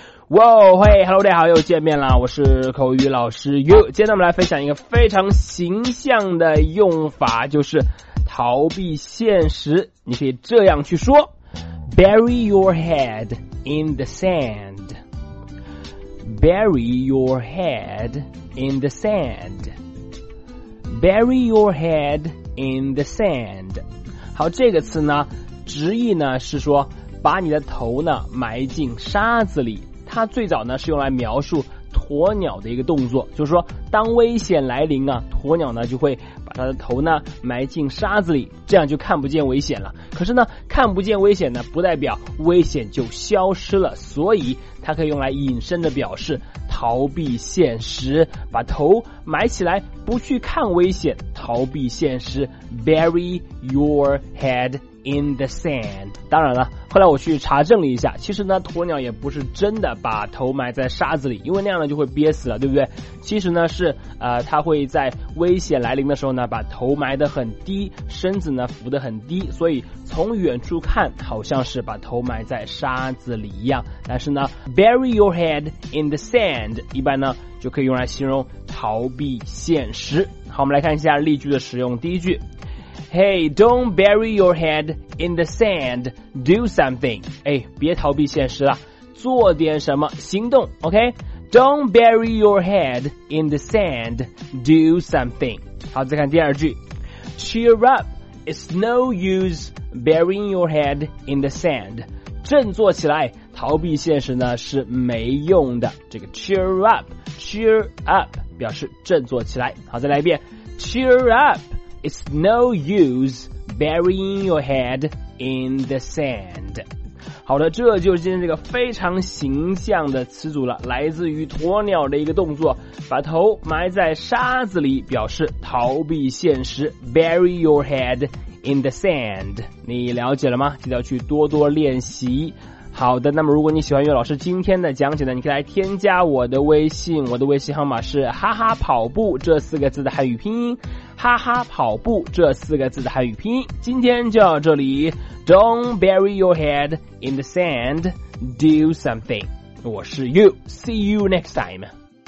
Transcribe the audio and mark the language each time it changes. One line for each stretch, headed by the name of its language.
Chinese: 哇哦，嗨 ，Hello， 大家好，又见面了，我是口语老师 You。今天我们来分享一个非常形象的用法，就是逃避现实。你可以这样去说
English: ：Bury your head in the sand. Bury your head in the sand. Bury your head in the sand.
Chinese: 好，这个词呢，直译呢是说把你的头呢埋进沙子里。它最早呢是用来描述鸵鸟的一个动作，就是说当危险来临啊，鸵鸟呢就会把它的头呢埋进沙子里，这样就看不见危险了。可是呢，看不见危险呢不代表危险就消失了，所以它可以用来隐身的表示逃避现实，把头埋起来不去看危险，逃避现实。
English: Bury your headin the sand。
Chinese: 当然了，后来我去查证了一下，其实呢鸵鸟也不是真的把头埋在沙子里，因为那样呢就会憋死了，对不对？其实呢是它会在危险来临的时候呢把头埋得很低，身子呢浮得很低，所以从远处看好像是把头埋在沙子里一样。但是呢
English: bury your head in the sand
Chinese: 一般呢就可以用来形容逃避现实。好，我们来看一下例句的使用。第一句，
English: Hey, don't bury your head in the sand. Do something.
Chinese: 哎，别逃避现实了，做点什么，行动。
English: OK, don't bury your head in the sand. Do something.
Chinese: 好，再看第二句。
English: Cheer up. It's no use burying your head in the sand.
Chinese: 振作起来，逃避现实呢是没用的。这个
English: cheer up, cheer up
Chinese: 表示振作起来。好，再来一遍。
English: Cheer up. It's no use burying your head in the sand.
Chinese: 好的，这就是今天这个非常形象的词组了，来自于鸵鸟的一个动作，把头埋在沙子里，表示逃避现实。
English: Bury your head in the sand.
Chinese: 你了解了吗？记得要去多多练习。好的，那么如果你喜欢岳老师今天的讲解呢，你可以来添加我的微信，我的微信号码是哈哈跑步这四个字的汉语拼音，哈哈跑步这四个字的汉语拼音。今天就到这里，
English: Don't bury your head in the sand, do something.
Chinese: 我是
English: You, see you next time.